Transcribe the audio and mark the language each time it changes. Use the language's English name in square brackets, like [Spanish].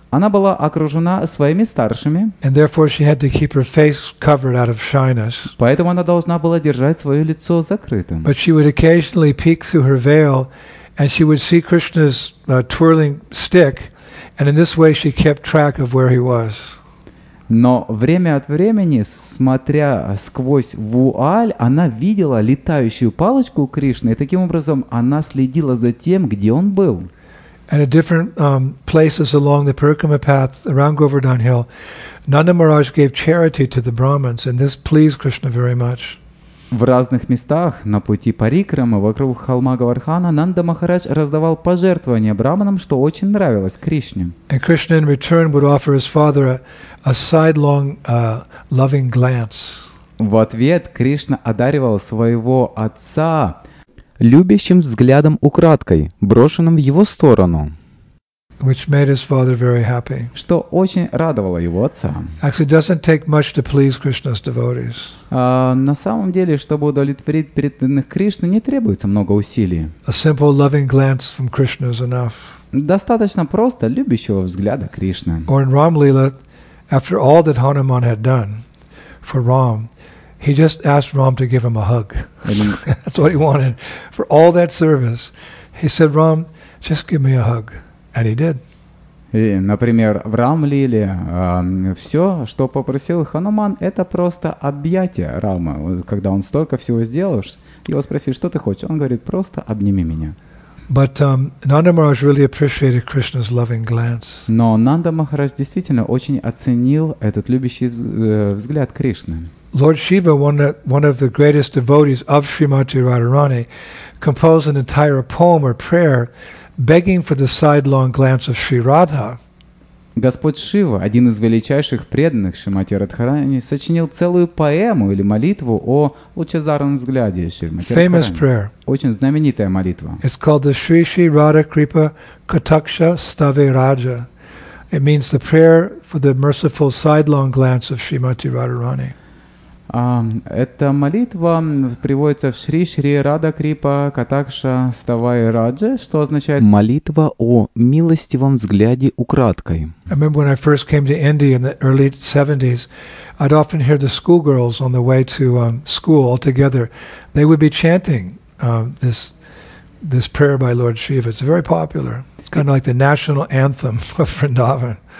[Russian] Она была окружена своими старшими. [English] And therefore she had to keep her face covered out of shyness. [Russian] Поэтому она должна была держать свое лицо закрытым. [English] But she would occasionally peek through her veil. And she would see Krishna's twirling stick, and in this way she kept track of where he was. [Russian] Но время от времени, смотря сквозь вуаль, она видела летающую палочку Кришны, и таким образом она следила за тем, где он был. [English] And at different places along the Parikrama path around Govardhan Hill, Nanda Maharaj gave charity to the Brahmins, and this pleased Krishna very much. [Russian] В разных местах на пути Парикрамы вокруг холма Говардхана Нанда Махарадж раздавал пожертвования браманам, что очень нравилось Кришне. [English] And Krishna in return would offer his father a sidelong loving glance. [Russian] В ответ Кришна одаривал своего отца любящим взглядом украдкой, брошенным в его сторону. [English] Which made his father very happy. [Russian] Что очень радовало его отца. [English] Actually, it doesn't take much to please Krishna's devotees. [Russian] На самом деле, чтобы удовлетворить преданных Кришны, не требуется много усилий. [English] A simple loving glance from Krishna is enough. [Russian] Достаточно просто любящего взгляда Кришны. [English] Or in Ram Lila, after all that Hanuman had done for Ram, he just asked Ram to give him a hug. That's what he wanted. For all that service, he said, Ram, just give me a hug. And he did. [Russian] И, например, в Рам-лиле все, что попросил Хануман, это просто объятие Рама. Когда он столько всего сделал, его спросили, что ты хочешь? Он говорит, просто обними меня. [English] But Nanda Maharaj really appreciated Krishna's loving glance. [Russian] Но Нанда Махарадж действительно очень оценил этот любящий взгляд Кришны. [English] Lord Shiva, one of the greatest devotees of Srimati Radharani, composed an entire poem or prayer begging for the sidelong glance of Sri Radha. [Russian] Господь Шива, один из величайших преданных Шримати Радхарани, сочинил целую поэму или молитву о лучезарном взгляде Шримати Радхарани. [English] Famous prayer. [Russian] Очень знаменитая молитва. [English] It's called the Sri Sri Radha Kripa Kataksha Stave Raja. It means the prayer for the merciful sidelong glance of Shrimati Radharani. [Russian] Эта молитва приводится в Шри Шри Радха Крипа Катакша Ставай Раджа, что означает «молитва о милостивом взгляде украдкой». [English] I remember when I first came to India in the early 70s, I'd often hear the schoolgirls on the way to school altogether. They would be chanting this prayer by Lord Shiva. It's very popular. It's kind of like the national anthem of Vrindavan.